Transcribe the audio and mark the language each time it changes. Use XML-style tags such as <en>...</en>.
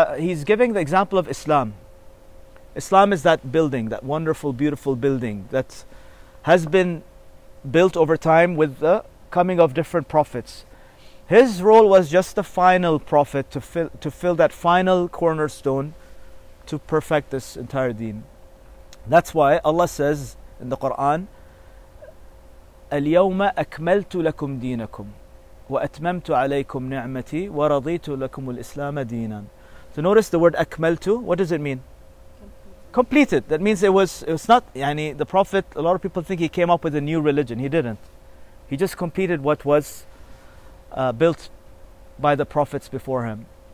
<en>He's giving the example of Islam. Islam is that building, that wonderful, beautiful building that has been built over time with the coming of different prophets. His role was just the final prophet to fill that final cornerstone to perfect this entire deen. That's why Allah says in the Quran,</en> <ar>الْيَوْمَ أَكْمَلْتُ لَكُمْ دِينَكُمْ وَأَتْمَمْتُ عَلَيْكُمْ نِعْمَتِي وَرَضِيتُ لَكُمُ الْإِسْلَامَ دِينًا.</ar> <en>So notice the word أَكْمَلْتُ, what does it mean? Completed. That means it's not, يعني, the Prophet, a lot of people think he came up with a new religion. He didn't. He just completed what was built by the prophets before him.</en>